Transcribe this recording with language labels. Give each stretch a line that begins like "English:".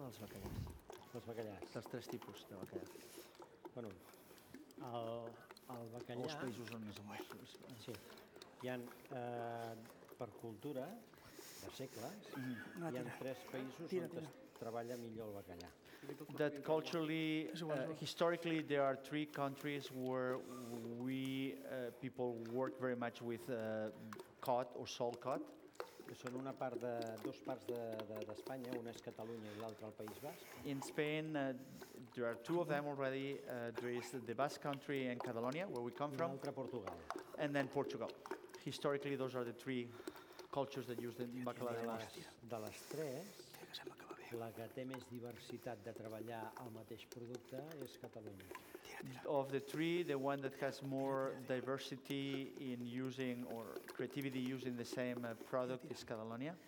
Catalan: Dels tres tipus de bacallà. Bueno, el bacallà... Els països on és el mar. Sí. Hi ha, per cultura, de segles, hi ha tres països on es treballa millor el bacallà.
English: That culturally, historically, there are three countries where we people work very much with cod or salt cod.
Catalan: Són una part de dos parts d'Espanya, una és Catalunya I l'altra el País Basc.
English: In Spain, there are two of them already. There is the Basque Country and Catalonia, where we come from.
Catalan: I l'altra Portugal.
English: And then Portugal. Historically, those are the three cultures that use the bacalà.
Catalan: De les tres, la que té més diversitat de treballar el mateix producte és Catalunya.
English: Of the three, the one that has more diversity in using or creativity using the same product is Catalonia.